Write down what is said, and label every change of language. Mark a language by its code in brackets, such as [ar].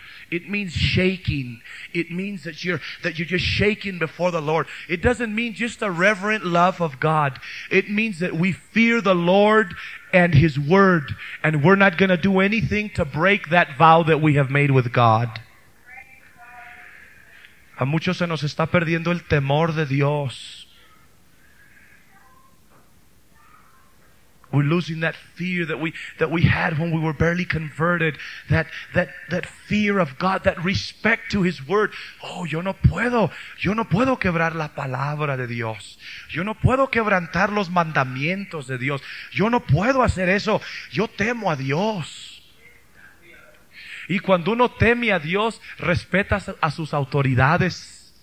[en] It means shaking. It means that you're just shaking before the Lord. It doesn't mean just a reverent love of God. It means that we fear the Lord and his word, and we're not going to do anything to break that vow that we have made with God. [es] A muchos se nos está perdiendo el temor de Dios. [en] We're losing that fear that we had when we were barely converted. That fear of God, that respect to his word. [es] Oh, yo no puedo quebrar la palabra de Dios. Yo no puedo quebrantar los mandamientos de Dios. Yo no puedo hacer eso. Yo temo a Dios. Y cuando uno teme a Dios, respeta a sus autoridades.